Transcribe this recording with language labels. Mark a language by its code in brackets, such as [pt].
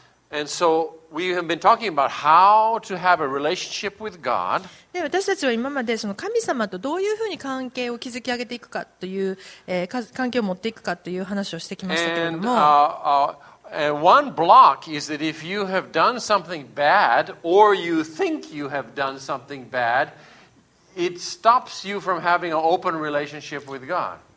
[en] And so we have been talking about how to have a relationship with God. [ja] で私たちは今までその神様とどういうふうに関係を築き上げていくかという、関係を持っていくかという話をしてきましたけれども。 [en] And one block is that if you have done something bad or you think you have done something bad, it stops you from having an open relationship with God.